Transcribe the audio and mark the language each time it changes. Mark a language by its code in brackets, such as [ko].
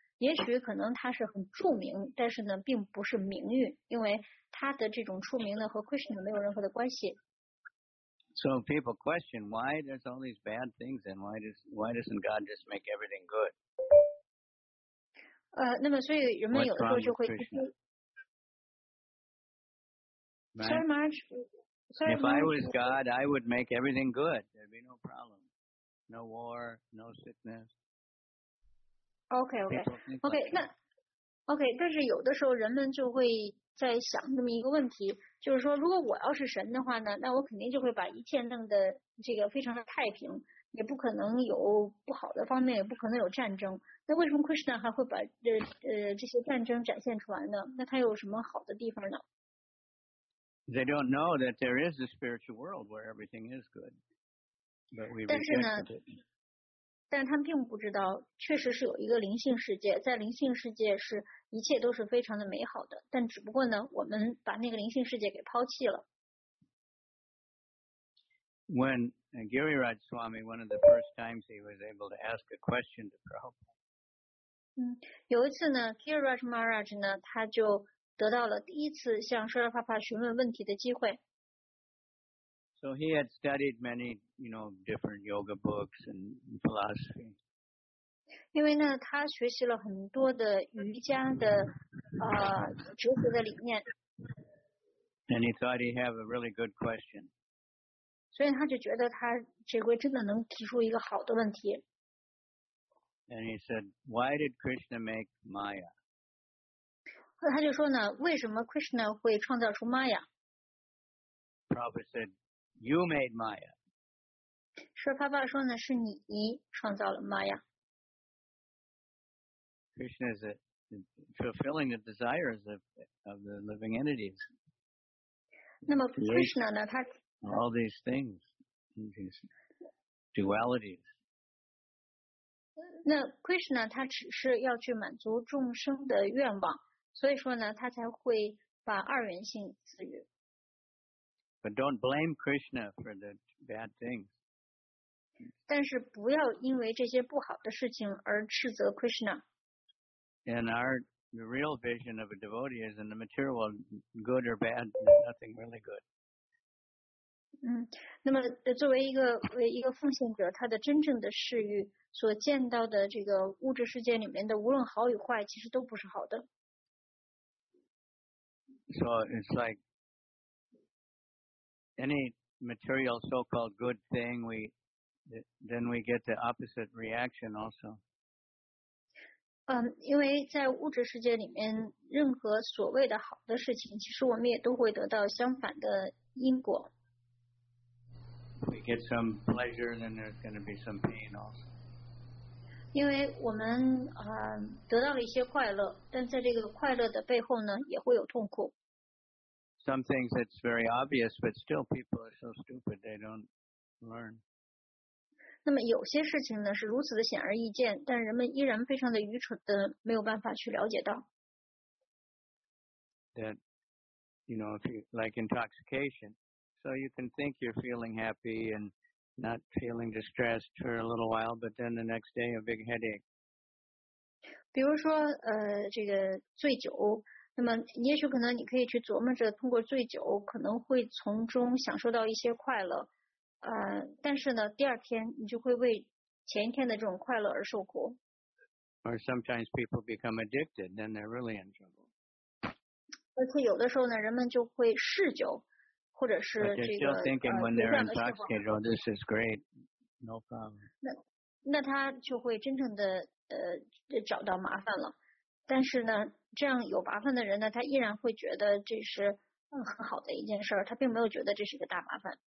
[zh] 也许可能他是很著名，但是呢，并不是名誉，因为他的这种出名呢和 Krishna 没有任何的关系。 [en] So people question why there's all these bad things and why doesn't God just make everything good? [zh] 那么所以人们有的时候就会。 [en] Sorry, Marge. If I was God, I would make everything good. There'd be no problem. No war, no sickness. Okay, okay. [zh] Okay, 那 okay, 但是有的时候人们就会在想这么一个问题，就是说如果我要是神的话呢，那我肯定就会把一切弄得这个非常的太平，也不可能有不好的方面，也不可能有战争。那为什么 Krishna 还会把这些战争展现出来呢？那他有什么好的地方呢？ [en] They don't know that there is a spiritual world where everything is good, but we reject it. [zh] 但他们并不知道，确实是有一个灵性世界，在灵性世界是一切都是非常的美好的。但只不过呢，我们把那个灵性世界给抛弃了。 [en] When Giriraj Swami, one of the first times he was able to ask a question to Prabhupada. [zh] 有一次呢 ，Giriraj Maharaj 呢，他就。得到了第一次向舍利帕帕询问问题的机会。 [en] So he had studied many, you know, different yoga books and philosophy. [zh] 因为呢，他学习了很多的瑜伽的哲学的理念。 [en] And he thought he had a really good question. [zh] 所以他就觉得他这回真的能提出一个好的问题。 [en] And he said, "Why did Krishna make Maya?" [zh] 他就说呢，为什么 Krishna 会创造出 Maya? [en] Prabhupada said, "You made Maya." [zh] 是他爸说呢，是你创造了 Maya。 [en] Krishna is fulfilling the desires of the living entities. [zh] 那么 Krishna 呢，他 [en] all these things, these dualities. [zh] 那 Krishna 他只是要去满足众生的愿望，所以说呢，他才会把二元性赐予。 [en] But don't blame Krishna for the bad things. [zh] 但是不要因为这些不好的事情而斥责 Krishna。 [en] And our real vision of a devotee is in the material world, good or bad, nothing really good. [zh] 那么作为一个奉献者，他的真正的视域所见到的这个物质世界里面的无论好与坏，其实都不是好的。 [en] So it's like any material so-called good thing, we get the opposite reaction also. [zh] 因为在物质世界里面，任何所谓的好的事情，其实我们也都会得到相反的因果。 [en] We get some pleasure, and then there's going to be some pain also. [zh] 因为我们得到了一些快乐，但在这个快乐的背后呢，也会有痛苦。 [en] Some things that's very obvious, but still people are so stupid they don't learn. [zh] 那么有些事情呢是如此的显而易见，但人们依然非常的愚蠢的没有办法去了解到。 [en] That, you know, if you like intoxication, so you can think you're feeling happy and not feeling distressed for a little while, but then the next day a big headache. [zh] 比如说这个醉酒，那么也许可能你可以去琢磨着通过醉酒可能会从中享受到一些快乐。但是呢，第二天你就会为前一天的这种快乐而受苦。 [en] Or sometimes people become addicted, then they're really in trouble. [zh] 而且有的时候呢，人们就会嗜酒，或者是这个。 [en] But they're still thinking when they're intoxicated, "Oh, this is great, no problem." [zh] 那他就会真正的找到麻烦了。但是呢，这样有麻烦的人呢，他依然会觉得这是很好的一件事，他并没有觉得这是个大麻烦。